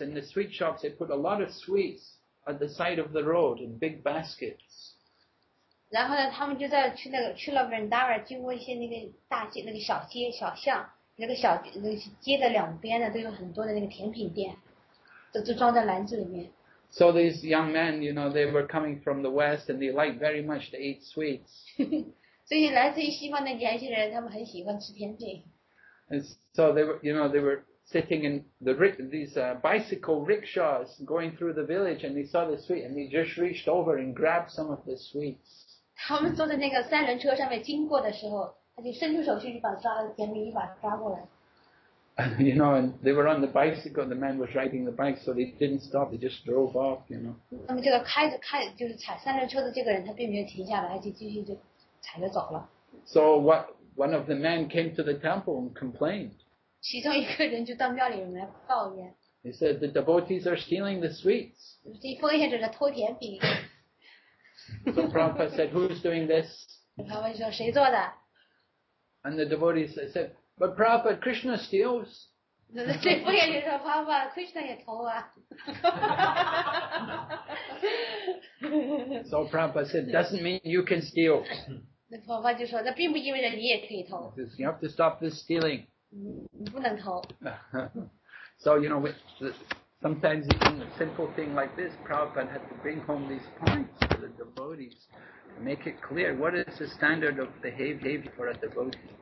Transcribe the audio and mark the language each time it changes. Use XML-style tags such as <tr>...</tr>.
<en>In the sweet shops, they put a lot of sweets at the side of the road in big baskets.</en> <zh>然后呢，他们就在去那个去了 Vrindavan， 经过一些那个大街、那个小街、小巷，那个小那个街的两边呢，都有很多的那个甜品店，都装在篮子里面。</zh> <en>So these young men, they were coming from the west, and they liked very much to eat sweets.</en> <zh>这些来自于西方的年轻人，他们很喜欢吃甜品。</zh> <en>And so they were sitting in the bicycle rickshaws going through the village, and they saw the sweet, and they just reached over and grabbed some of the sweets.</en> <zh>他们坐在那个三轮车上面经过的时候，他就伸出手去把抓了甜品一把抓过来。</zh> <en>And they were on the bicycle. The man was riding the bike, so they didn't stop. They just drove off.</en> <zh>那么这个开就是踩三轮车的这个人，他并没有停下来，就继续就踩着走了。</zh> <en>So what? One of the men came to the temple and complained.</en> <zh>其中一个人就到庙里面来抱怨。</zh> <en>He said the devotees are stealing the sweets.</en> <zh>这奉献者在偷甜品。</zh> <en>So Prabhupada said, "Who's doing this?"</en> <zh>Prabhupada 说谁做的</zh> <en>？And the devotees said. But Prabhupada, Krishna steals.</en> <zh>这不也就是说，爸爸 ，Krishna 也偷啊。</zh> <en>So Prabhupada said, doesn't mean you can steal.</en> <zh>那爸爸就说，那并不意味着你也可以偷。</zh> <en>You have to stop this stealing.</en> <zh>你不能偷。</zh> <en>So sometimes even a simple thing like this, Prabhupada had to bring home these points to the devotees, make it clear what is the standard of behavior for a devotee.</en>